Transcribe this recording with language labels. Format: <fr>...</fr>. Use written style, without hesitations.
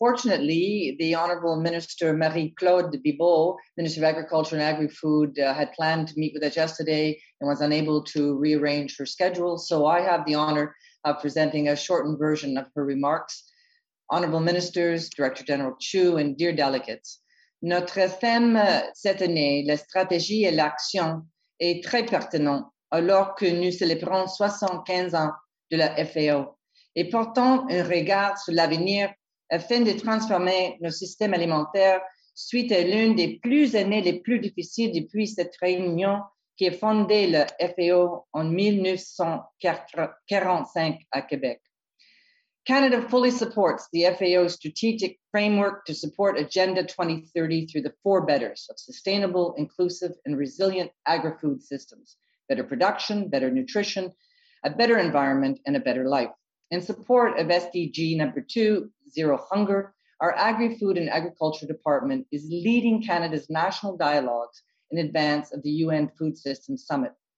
<en>Fortunately, the Honorable Minister Marie-Claude Bibeau, Minister of Agriculture and Agri-Food, had planned to meet with us yesterday and was unable to rearrange her schedule. So I have the honor of presenting a shortened version of her remarks. Honorable Ministers, Director General Chu, and dear delegates,</en> <fr>notre thème cette année, la stratégie et l'action, est très pertinent alors que nous célébrons 75 ans de la FAO et portant un regard sur l'avenir afin de transformer nos systèmes alimentaires suite à l'une des plus années les plus difficiles depuis cette réunion qui a fondé la FAO en 1945 à Québec.</fr> <en>Canada fully supports the FAO's strategic framework to support Agenda 2030 through the four betters of sustainable, inclusive, and resilient agri-food systems, better production, better nutrition, a better environment, and a better life. In support of SDG number 2, Zero Hunger, our Agri-Food and Agriculture Department is leading Canada's national dialogues in advance of the UN Food Systems Summit.</en>